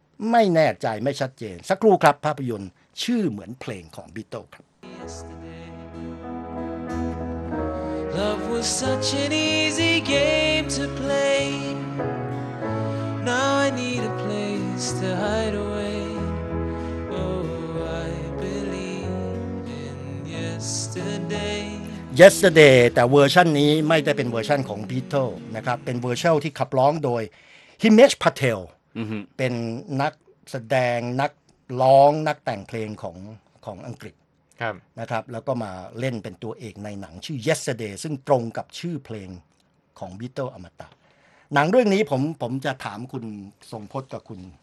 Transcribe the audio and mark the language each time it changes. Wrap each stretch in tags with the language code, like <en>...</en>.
<th>ไม่แน่ใจไม่ชัดเจนสักครู่ครับภาพยนตร์ชื่อเหมือนเพลงของบิโตครับ</th> <en>Love was such an easy game to playNow I need a place to hide away. Oh, I believe in yesterday.</en> <th>Yesterday, แต่เวอร์ชันนี้ไม่ได้เป็นเวอร์ชันของ Beatles นะครับเป็นเวอร์ชันที่ขับร้องโดย Himesh Patel เป็นนักแสดงนักร้องนักแต่งเพลงของอังกฤษนะครับแล้วก็มาเล่นเป็นตัวเอกในหนังชื่อ Yesterday ซึ่งตรงกับชื่อเพลงของ Beatles อมตะหนังเรื่องนี้ผมจะถามคุณทรงพจน์กับคุณ</th>